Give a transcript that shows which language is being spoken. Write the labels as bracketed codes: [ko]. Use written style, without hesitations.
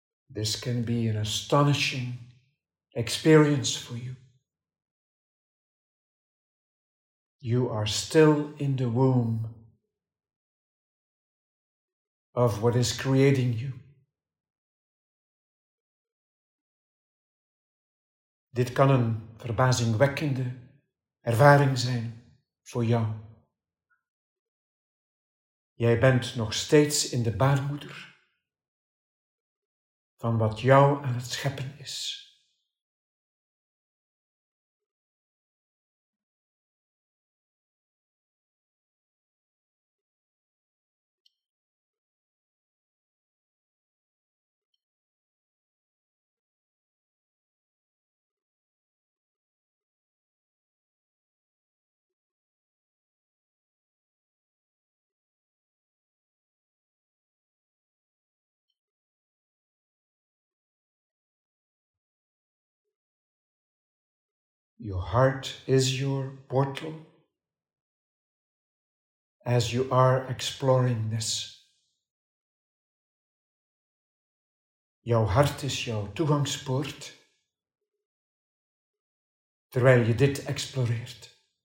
[en] This can be an astonishing experience for you. You are still in the womb of what is creating you. [nl] Dit kan een verbazingwekkende ervaring zijn voor jou. Jij bent nog steeds in de baarmoeder van wat jou aan het scheppen is. [en] Your heart is your portal as you are exploring this. [nl] Jouw hart is jouw toegangspoort terwijl je dit exploreert.